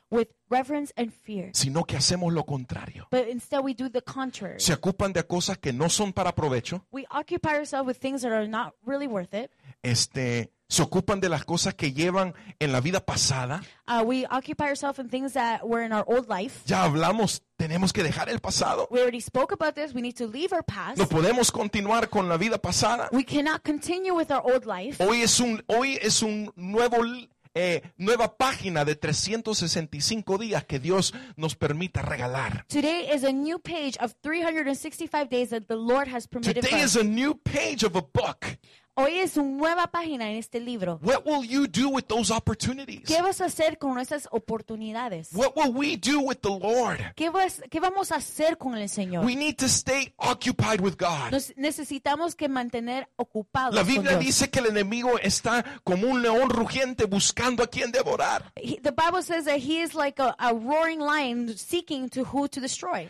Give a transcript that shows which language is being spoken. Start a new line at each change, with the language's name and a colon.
English: with reverence and fear,
Spanish: sino que hacemos lo contrario,
English: but instead we do the contrary.
Spanish: Se ocupan de cosas que no son para provecho,
English: we occupy ourselves with things that are not really worth it,
Spanish: se ocupan de las cosas que llevan en la vida pasada.
English: We occupy ourselves in things that were in our old life.
Spanish: Ya hablamos, tenemos que dejar el pasado.
English: We already spoke about this. We need to leave our past.
Spanish: No podemos continuar con la vida pasada.
English: We cannot continue with our old life.
Spanish: Hoy es un nuevo nueva página de 365 días que Dios nos permite regalar.
English: Today is a new page of 365 days that the Lord has permitted us. Today is a new page of a book.
Spanish: Hoy es una nueva página en este libro.
English: What will you do with those opportunities?
Spanish: ¿Qué vas a hacer con esas oportunidades?
English: What will we do with the Lord?
Spanish: ¿Qué vamos a hacer con el Señor?
English: We need to stay occupied with God.
Spanish: Nos necesitamos que mantener ocupados. La Biblia con Dios. Dice que el enemigo está como un león rugiente buscando a quien devorar.
English: The Bible says that he is like a roaring lion seeking to who to destroy.